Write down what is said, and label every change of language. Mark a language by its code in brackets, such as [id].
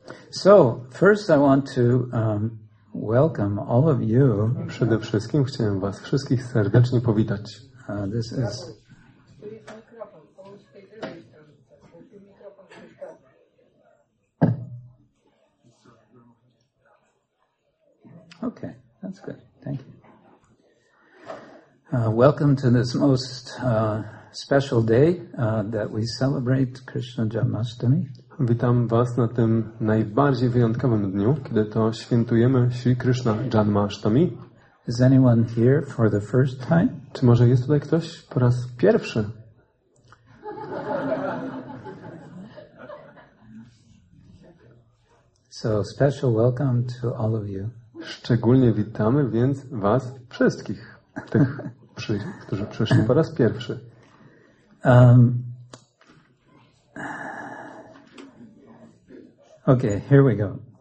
[en] So, first I want to welcome all of you. [pl] Przede wszystkim chciałem was wszystkich serdecznie powitać. [en] This is... Okay, that's good. Thank you. Welcome to this most special day that we celebrate Krishna Janmashtami. [pl] Witam was na tym najbardziej wyjątkowym dniu, kiedy to świętujemy Śri Krishna Janmashtami. [en] Is anyone here for the first time? [pl] Czy może jest tutaj ktoś po raz pierwszy? [en] So special welcome to all of you. [pl] Szczególnie witamy więc was wszystkich, tych, którzy przyszli po raz pierwszy. [en] Okay, here we go.